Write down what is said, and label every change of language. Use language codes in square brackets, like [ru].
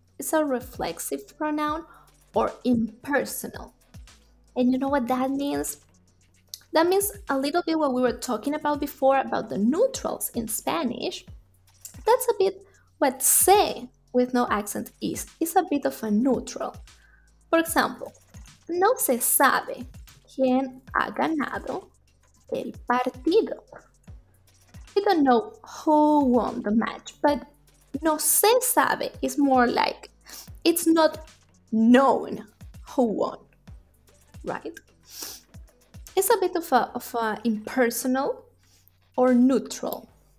[en] It's a reflexive pronoun or impersonal. And you know what that means? That means a little bit what we were talking about before about the neutrals in Spanish. That's a bit what se with no accent is. It's a bit of a neutral. For example, [es] no se sabe quién ha ganado el partido. [en] We don't know who won the match, but [es] no se sabe [en] is more like it's not known who won, right? It's a bit of a impersonal or neutral.